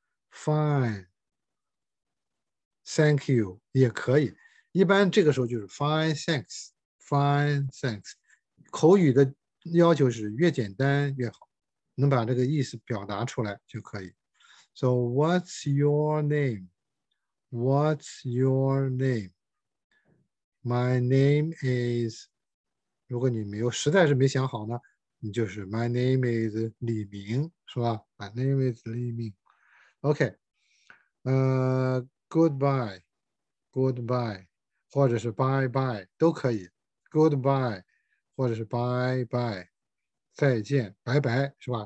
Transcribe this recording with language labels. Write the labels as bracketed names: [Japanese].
[English] Fine, thank you [Chinese] 也可以。一般这个时候就是 [English] Fine, thanks. Fine, thanks. [Chinese] 口语的要求是越简单越好，能把这个意思表达出来就可以。 [English] So, what's your name? What's your name? My name is. [Chinese] 如果你没有，实在是没想好呢，你就是 [English] My name is [Chinese] 李明，是吧？My name is 李明。 [English] OK，goodbye。 [Chinese] Goodbye，或者是 [English] Bye bye [Chinese] 都可以。Goodbye，或者是 Bye bye，再见，拜拜，是吧？